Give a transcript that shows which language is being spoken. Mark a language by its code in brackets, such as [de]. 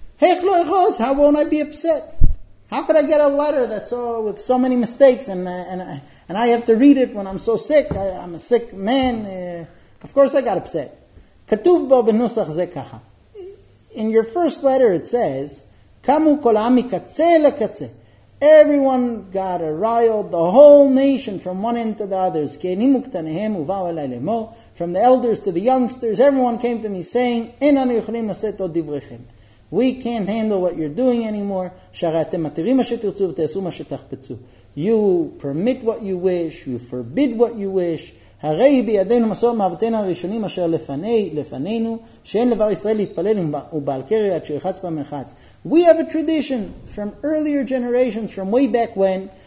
[en] How won't I be upset? How could I get a letter that's with so many mistakes and I have to read it when I'm so sick? I'm a sick man. Of course I got upset. [he] כתוב בו בנוסח זה ככה. [en] In your first letter it says, [he] קמו כל העם מקצה לקצה. [en] Everyone got a riled, the whole nation from one end to the others. [he] כי הנימו קטניהם ובאו אליי למו. [en] From the elders to the youngsters, everyone came to me saying, [he] אין אנו יכולים לשאת עוד דבריכם. [en] We can't handle what you're doing anymore. [he] שהרי אתם מתירים מה שתרצו ותעשו מה שתחפצו. [en] You permit what you wish, you forbid what you wish. [he] הרי בידינו מסור מאבותינו הראשונים אשר לפנינו, שאין לבר ישראל להתפלל ובעל קרי עד שירחץ פעם אחת. [en] We have a tradition from earlier generations, from way back when,